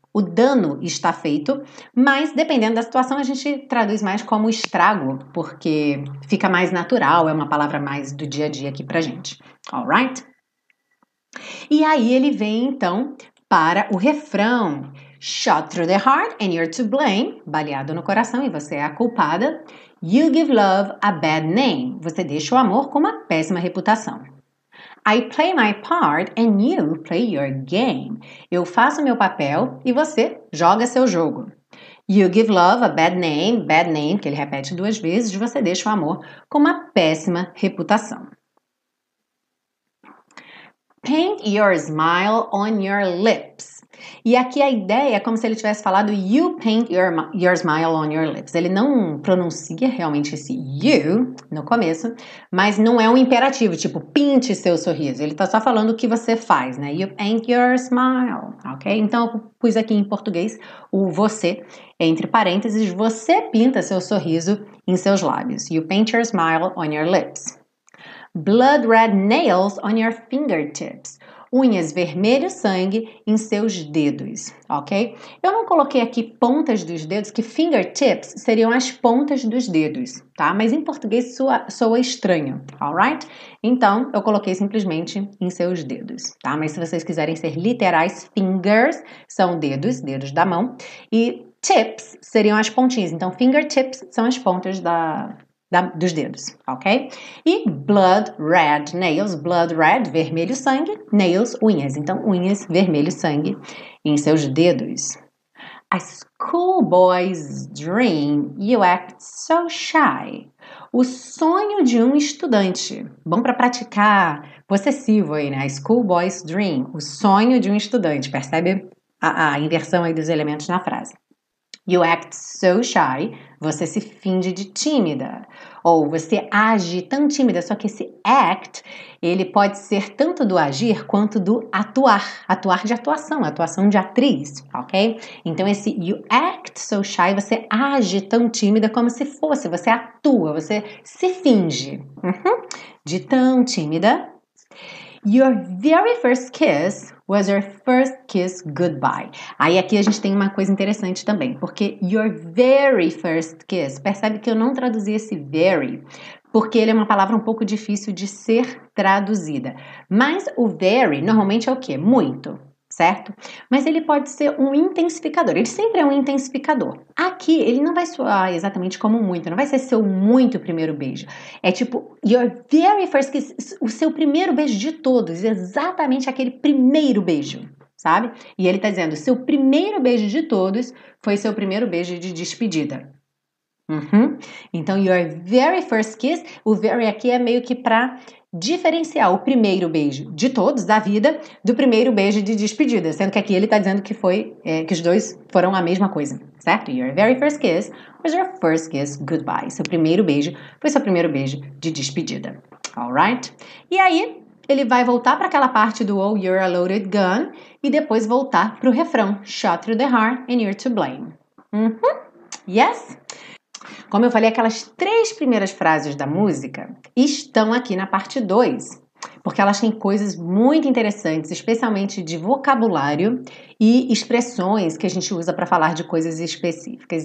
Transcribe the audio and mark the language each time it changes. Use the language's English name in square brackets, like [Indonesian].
[Portuguese] O dano está feito, mas dependendo da situação, a gente traduz mais como estrago, porque fica mais natural, é uma palavra mais do dia a dia aqui pra gente. Alright? E aí ele vem então para o refrão: [English] Shot through the heart and you're to blame. [Portuguese] Baleado no coração e você é a culpada. [English] You give love a bad name. [Portuguese] Você deixa o amor com uma péssima reputação. [English] I play my part and you play your game. [Portuguese] Eu faço meu papel e você joga seu jogo. [English] You give love a bad name, [Portuguese] que ele repete duas vezes, você deixa o amor com uma péssima reputação. [English] Paint your smile on your lips. [Portuguese] E aqui a ideia é como se ele tivesse falado [English] you paint your smile on your lips. [Portuguese] Ele não pronuncia realmente esse you no começo, mas não é um imperativo, tipo pinte seu sorriso. Ele está só falando o que você faz, né? [English] You paint your smile, [Portuguese] ok? Então eu pus aqui em português o você entre parênteses. Você pinta seu sorriso em seus lábios. [English] You paint your smile on your lips. Blood red nails on your fingertips. [Portuguese] Unhas vermelho sangue em seus dedos, ok? Eu não coloquei aqui pontas dos dedos, que fingertips seriam as pontas dos dedos, tá? Mas em português soa estranho, alright? Então eu coloquei simplesmente em seus dedos, tá? Mas se vocês quiserem ser literais, fingers são dedos, dedos da mão, e tips seriam as pontinhas. Então fingertips são as pontas dos dedos, ok? E blood red nails, blood red, vermelho sangue, nails, unhas. Então, unhas, vermelho sangue em seus dedos. [English] A schoolboy's dream, you act so shy. [Portuguese] O sonho de um estudante. Bom para praticar possessivo aí, né? [English] A schoolboy's dream, [Portuguese] o sonho de um estudante. Percebe a inversão aí dos elementos na frase. [English] You act so shy, [Portuguese] você se finge de tímida. Ou você age tão tímida, só que esse act, ele pode ser tanto do agir quanto do atuar. Atuar de atuação, atuação de atriz, ok? Então esse [English] you act so shy, [Portuguese] você age tão tímida como se fosse. Você atua, você se finge de tão tímida. [English] Your very first kiss was your first kiss goodbye. [Portuguese] Aí aqui a gente tem uma coisa interessante também, porque [English] your very first kiss, [Portuguese] percebe que eu não traduzi esse very, porque ele é uma palavra um pouco difícil de ser traduzida. Mas o very normalmente é o quê? Muito, certo? Mas ele pode ser um intensificador, ele sempre é um intensificador. Aqui ele não vai soar exatamente como muito, não vai ser seu muito primeiro beijo. É tipo, [English] your very first kiss, [Portuguese] o seu primeiro beijo de todos, exatamente aquele primeiro beijo, sabe? E ele tá dizendo, seu primeiro beijo de todos foi seu primeiro beijo de despedida. Uhum. Então, [English] your very first kiss, [Portuguese] o very aqui é meio que pra diferenciar o primeiro beijo de todos da vida do primeiro beijo de despedida, sendo que aqui ele tá dizendo que foi que os dois foram a mesma coisa, certo? [English] Your very first kiss was your first kiss goodbye. [Portuguese] Seu primeiro beijo foi seu primeiro beijo de despedida. Alright? E aí, ele vai voltar para aquela parte do oh, [English] you're a loaded gun, [Portuguese] e depois voltar pro refrão: [English] shot through the heart and you're to blame. [Portuguese] Uhum. Yes? Como eu falei, aquelas três primeiras frases da música estão aqui na parte 2, porque elas têm coisas muito interessantes, especialmente de vocabulário e expressões que a gente usa para falar de coisas específicas.